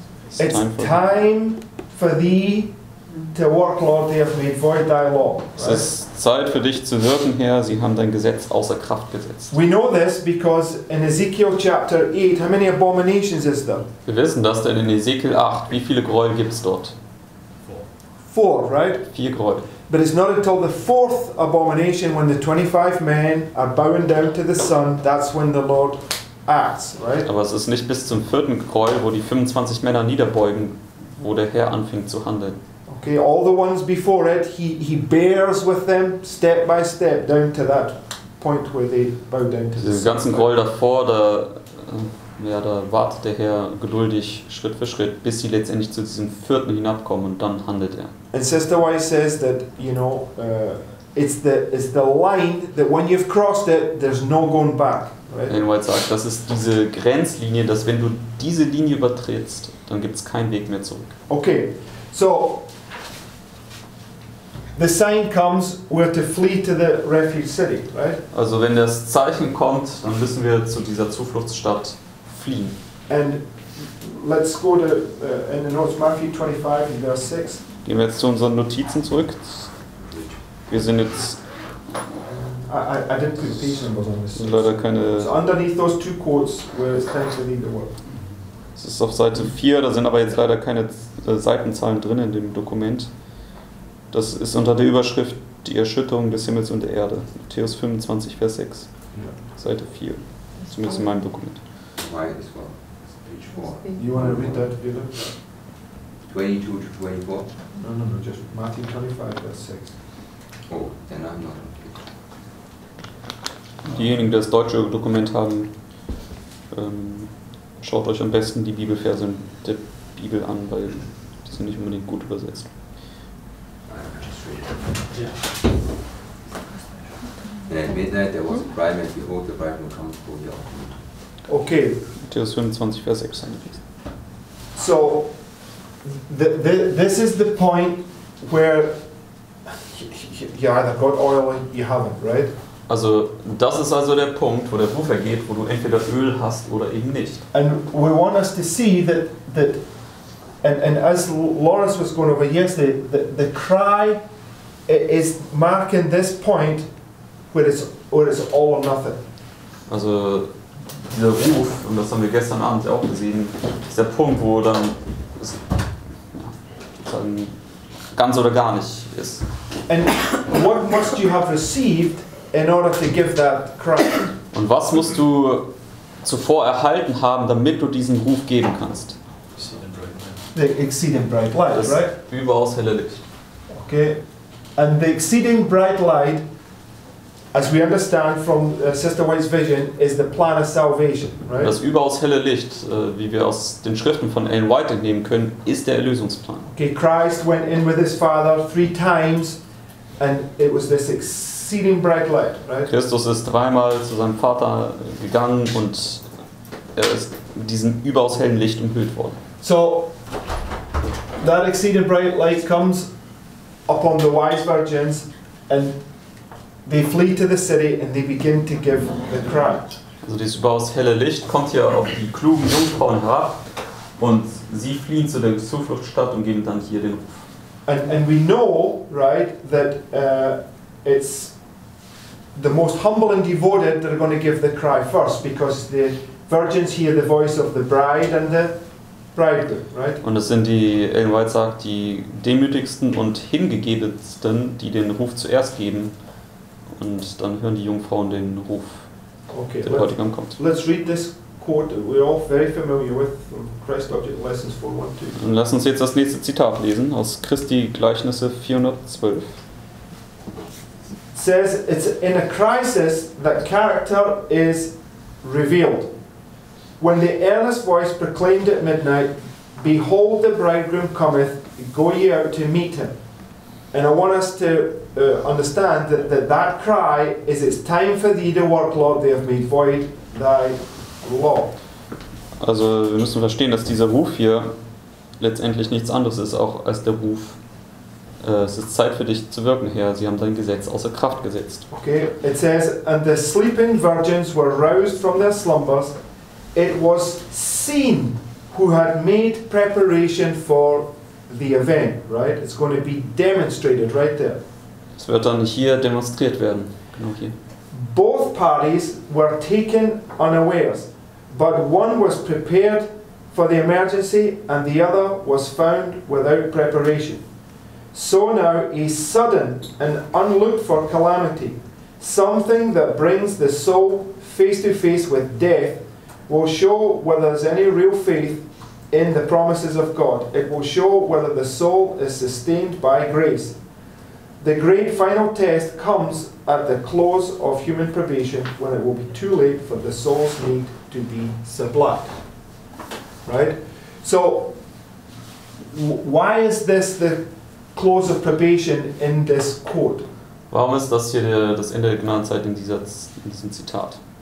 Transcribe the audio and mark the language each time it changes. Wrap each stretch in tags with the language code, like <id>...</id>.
<en>It's time for thee to work, Lord, they have made void thy law.</en> <de>Es ist Zeit für dich zu wirken, Herr, sie haben dein Gesetz außer Kraft gesetzt.</de> <en>We know this because in Ezekiel chapter 8, how many abominations is there?</en> <de>Wir wissen das, denn in Ezekiel 8, wie viele Gräuel gibt es dort?</de> <en>Four, right?</en> <de>Vier Gräuel.</de> <en>But it's not until the fourth abomination when the 25 men are bowing down to the sun, that's when the Lord acts, right?</en> <de>Aber es ist nicht bis zum vierten Gräuel, wo die 25 Männer niederbeugen, wo der Herr anfing zu handeln.</de> <en>Okay, all the ones before it, he bears with them step by step down to that point where they bow down to the sun.</en> <de>Die ganzen Gräuel davor, da wartet der Herr geduldig Schritt für Schritt, bis sie letztendlich zu diesem vierten hinabkommen und dann handelt er.</de> <en>And Sister White says that, you know, it's the line that when you've crossed it, there's no going back. Right?</en> <de>And White sagt, das ist diese Grenzlinie, dass wenn du diese Linie übertrittst, dann gibt's keinen Weg mehr zurück.</de> <en>Okay, so the sign comes, we're to flee to the refuge city, right?</en> <de>Also wenn das Zeichen kommt, dann müssen wir zu dieser Zufluchtsstadt fliehen.</de> <en>And let's go to in the notes, Matthew 25, in verse 6.</en> <de>Gehen wir jetzt zu unseren Notizen zurück. Wir sind jetzt.</de> <en>I didn't put page numbers on this.</en> <de>Leider keine.</de> <en>So underneath those two quotes where it's time to leave the world.</en> <de>Es ist auf Seite 4, da sind aber jetzt leider keine Seitenzahlen drin in dem Dokument. Das ist unter der Überschrift Die Erschütterung des Himmels und der Erde. Matthäus 25, Vers 6. Ja. Seite 4. Zumindest in meinem Dokument.</de> <en>Why as well? It's page 4. You want to read that, Peter? 22 to 24? No, just Matthew 25, verse 6. Oh, then I'm not.</en> <de>Diejenigen, die das deutsche Dokument haben, schaut euch am besten die Bibelverse der Bibel an, weil die sind nicht unbedingt gut übersetzt.</de> <en>And at midnight there was a cry, and behold, the bridegroom comes for the altar. Okay.</en> <de>Matthäus 25, Vers 6 haben wir.</de> <en>So. This is the point where you either got oil or you haven't, right?</en> <de>Also, das ist also der Punkt, wo der Puffer geht, wo du entweder Öl hast oder eben nicht.</de> <en>And we want us to see that, and as Lawrence was going over yesterday, the cry is marking this point where it's all or nothing.</en> <de>Also, dieser Ruf, und das haben wir gestern Abend auch gesehen, ist der Punkt, wo dann ganz oder gar nicht ist.</de> <en>And what must you have received in order to give that cry?</en> <de>Und was musst du zuvor erhalten haben, damit du diesen Ruf geben kannst?</de> <en>The exceeding bright light,</en> <de>das</de> <en>right?</en> <de>Überaus helle Licht.</de> <en>Okay. And the exceeding bright light, as we understand from Sister White's vision, is the plan of salvation, right?</en> <de>Das überaus helle Licht, wie wir aus den Schriften von Ellen White entnehmen können, ist der Erlösungsplan.</de> <en>Okay, Christ went in with his Father three times, and it was this exceeding bright light, right?</en> <de>Christus ist dreimal zu seinem Vater gegangen und er ist mit diesem überaus hellen Licht umhüllt worden.</de> <en>So, that exceeding bright light comes upon the wise virgins, and they flee to the city and they begin to give the cry.</en> <de>Also dieses überaus helle Licht kommt hier auf die klugen Jungfrauen herab und sie fliehen zu der Zufluchtsstadt und geben dann hier den Ruf.</de> <en>And we know, right, that it's the most humble and devoted that are going to give the cry first, because the virgins hear the voice of the bride and the bridegroom, right?</en> <de>Und es sind die, Ellen White sagt, die demütigsten und hingegebensten, die den Ruf zuerst geben, und dann hören die Jungfrauen den Ruf,</de> <en>okay,</en> <de>der Bräutigam kommt.</de> <en>Let's read this quote that we're all very familiar with from Christ Object Lessons 412.</en> <de>Und lass uns jetzt das nächste Zitat lesen aus Christi Gleichnisse 412.</de> <en>Says it's in a crisis that character is revealed. When the earnest voice proclaimed at midnight, "Behold, the bridegroom cometh; go ye out to meet him." And I want us to understand that, that cry is, "It's time for thee to work, Lord; they have made void thy law."</en> <de>Also, wir müssen verstehen, dass dieser Ruf hier letztendlich nichts anderes ist, auch als der Ruf. Es ist Zeit für dich zu wirken, Herr. Sie haben dein Gesetz außer Kraft gesetzt.</de> <en>Okay, it says, and the sleeping virgins were roused from their slumbers. It was seen who had made preparation for the event, right? It's going to be demonstrated right there.</en> <de>Es wird dann hier demonstriert werden, genau hier.</de> <en>Both parties were taken unawares, but one was prepared for the emergency and the other was found without preparation. So now a sudden and unlooked for calamity, something that brings the soul face to face with death, will show whether there's any real faith in the promises of God. It will show whether the soul is sustained by grace. The great final test comes at the close of human probation, when it will be too late for the soul's need to be supplied. Right? So, why is this the close of probation in this quote?</en> <de>Warum ist das hier das Ende der Gnadenzeit in diesem Zitat?</de>